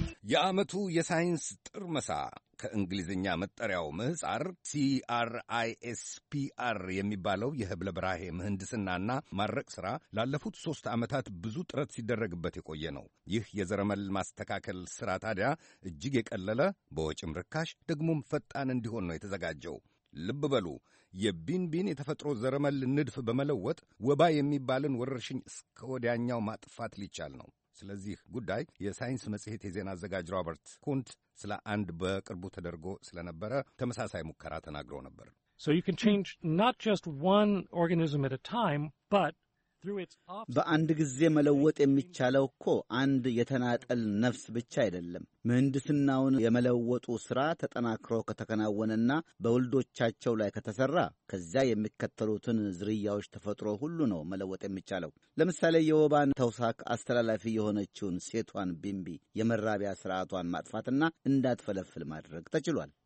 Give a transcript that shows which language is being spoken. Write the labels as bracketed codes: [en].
[am] የዓመቱ የሳይንስ ጥርመሳ ከእንግሊዝኛ መጠሪያው ምህጻር CRISPR የሚባለው የህብለ ብርሃን ምህንድስናና ማረቅ ሥራ ላለፉት 3 ዓመታት ብዙ ጥረት ሲደረግበት የቆየ ነው። ይህ የዘረመል ማስተካከል ሥራ ታዲያ እጅግ የቀለለ በወጭም ርካሽ ደግሞም ፈጣን እንዲሆን ነው የተዘጋጀው። ልብ በሉ የቢንቢን የተፈጥሮ ዘረመል ንድፍ በመለወጥ ወባ የሚባልን ወረርሽኝ እስከወዲያኛው ማጥፋት ሊቻል ነው። ስለዚህ ጉዳይ የሳይንስ መጽሔት የዜና አዘጋጅ ሮበርት ኩንት ስለ አንድ በቅርቡ ተደርጎ ስለነበረ ተመሳሳይ ሙከራ ተናግሮ ነበር። [en] So you can change not just one organism at a time, but through its offspring. [am] በአንድ ጊዜ መለወጥ የሚቻለው እኮ አንድ የተናጠል ነፍስ ብቻ አይደለም። ምህንድስናውን የመለወጡ ሥራ ተጠናክሮ ከተከናወነና በወልዶቻቸው ላይ ከተሰራ ከዚያ የሚከተሉትን ዝርያዎች ተፈጥሮ ሁሉ ነው መለወጥ የሚቻለው። ለምሳሌ የወባን ተውሳክ አስተላላፊ የሆነችውን ሴቷን ቢምቢ የመራቢያ ሥርዓቷን ማጥፋትና እንዳትፈለፍል ማድረግ ተችሏል።